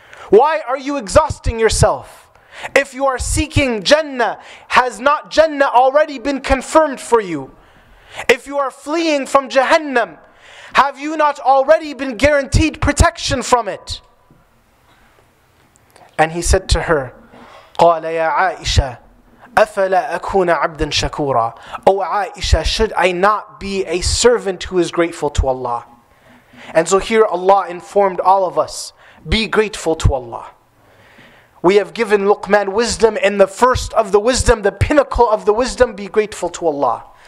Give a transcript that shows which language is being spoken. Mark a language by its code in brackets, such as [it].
[en] Why are you exhausting yourself? If you are seeking Jannah, has not Jannah already been confirmed for you? If you are fleeing from Jahannam, have you not already been guaranteed protection from it? And he said to her, [ar] قَالَ يَا عَائِشَةَ أَفَلَا أَكُونَ عَبْدًا شَكُورًا. [en] O Aisha, should I not be a servant who is grateful to Allah? And so here Allah informed all of us, be grateful to Allah. We have given Luqman wisdom, and the first of the wisdom, the pinnacle of the wisdom, be grateful to Allah.